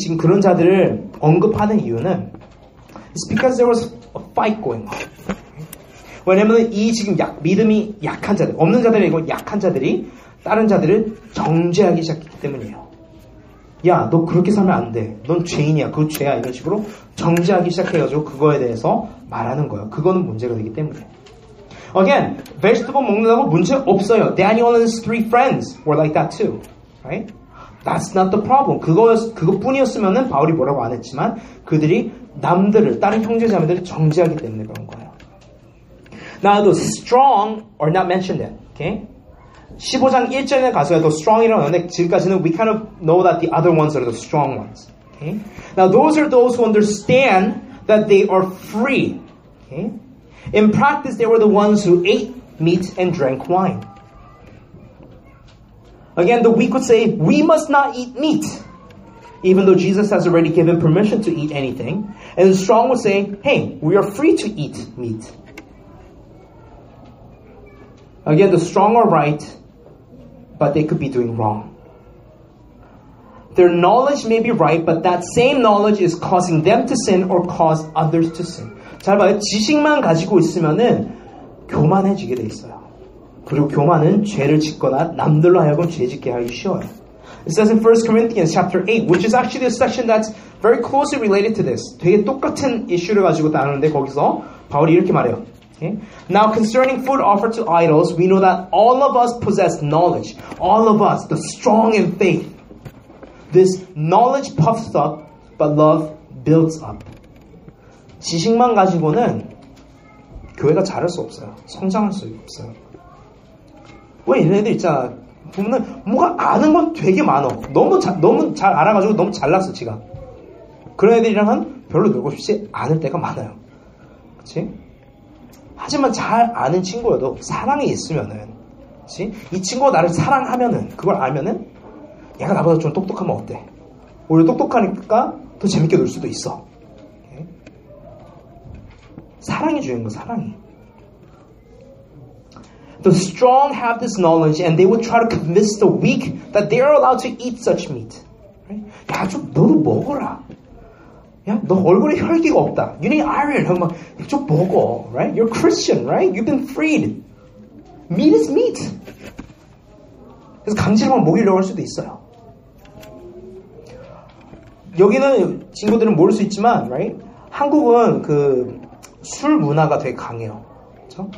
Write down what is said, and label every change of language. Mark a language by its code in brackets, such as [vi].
[en] It's because there was a fight going on. [ko] 왜냐면 이 지금 믿음이 약한 자들, 없는 자들이고 약한 자들이 다른 자들을 정죄하기 시작했기 때문이에요. 야, 너 그렇게 살면 안 돼. 넌 죄인이야. 그거 죄야. 이런 식으로 정죄하기 시작해가지고 그거에 대해서 말하는 거예요. 그거는 문제가 되기 때문에. [en] Again, [ko] vegetable 먹는다고 문제 없어요. [en] Daniel and his three friends were like that too. Right? That's not the problem. [ko] 그것뿐이었으면은 바울이 뭐라고 안 했지만 그들이 남들을, 다른 형제자매들을 정죄하기 때문에 그런 거예요. [en] Now, the strong are not mentioned yet. Okay? [ko] 15장 1절에 가서도 [en] strong이라고 하는데 [ko] 지금까지는 [en] we kind of know that the other ones are the strong ones. Okay? Now, those are those who understand that they are free. Okay? In practice, they were the ones who ate meat and drank wine. Again, the weak would say, we must not eat meat, even though Jesus has already given permission to eat anything. And the strong would say, hey, we are free to eat meat. Again, the strong are right, but they could be doing wrong. Their knowledge may be right, but that same knowledge is causing them to sin or cause others to sin. [ko] 잘 봐요. 지식만 가지고 있으면은 교만해지게 돼 있어요. 그리고 교만은 죄를 짓거나 남들로 하여금 죄 짓게 하기 쉬워요. [en] It says in 1 Corinthians chapter 8, which is actually a section that's very closely related to this. [ko] 되게 똑같은 이슈를 가지고 다루는데 거기서 바울이 이렇게 말해요. [en] Okay. Now concerning food offered to idols, we know that all of us possess knowledge. All of us, the strong in faith. This knowledge puffs up, but love builds up. [ko] 지식만 가지고는 교회가 자랄 수 없어요. 성장할 수 없어요. 왜 얘네들 있잖아. 보면은 뭐가 아는 건 되게 많아. 너무 잘 알아가지고 너무 잘났어, 지가. 그런 애들이랑은 별로 놀고 싶지 않을 때가 많아요. 그치? 하지만 잘 아는 친구여도 사랑이 있으면은, 그치? 이 친구가 나를 사랑하면은, 그걸 알면은, 얘가 나보다 좀 똑똑하면 어때? 오히려 똑똑하니까 더 재밌게 놀 수도 있어. 네? 사랑이 중요한 거, 사랑이. [en] The strong have this knowledge and they would try to convince the weak that they are allowed to eat such meat. [ko] Right? 야, 좀 너도 먹어라. 야, 너 얼굴에 혈기가 없다. [en] You need iron. [ko] 막, 좀 먹어, [en] right? You're Christian, right? You've been freed. Meat is meat. [ko] 그래서 강제로만 먹이려고 할 수도 있어요. 여기는 친구들은 모를 수 있지만, right? 한국은 그 술 문화가 되게 강해요. 그쵸?